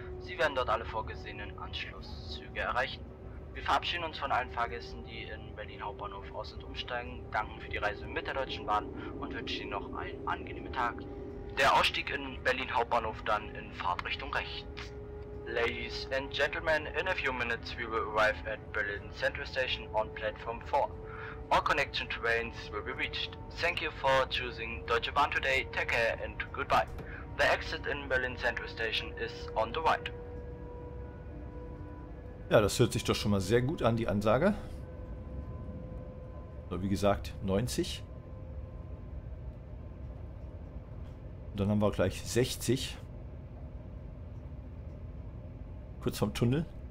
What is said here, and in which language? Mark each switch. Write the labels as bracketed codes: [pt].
[de] Sie werden dort alle vorgesehenen Anschlusszüge erreichen. Wir verabschieden uns von allen Fahrgästen, die in Berlin Hauptbahnhof aus- und umsteigen, danken für die Reise mit der Deutschen Bahn und wünschen Ihnen noch einen angenehmen Tag. Der Ausstieg in Berlin Hauptbahnhof dann in Fahrtrichtung rechts. [en] Ladies and gentlemen, in a few minutes we will arrive at Berlin Central Station on Platform 4. All connection trains will be reached. Thank you for choosing Deutsche Bahn today. Take care and goodbye. The exit in Berlin Central Station is on the right. [de] Ja, das hört sich doch schon mal sehr gut an, die Ansage. So, wie gesagt, 90. Und dann haben wir gleich 60. Kurz vorm Tunnel.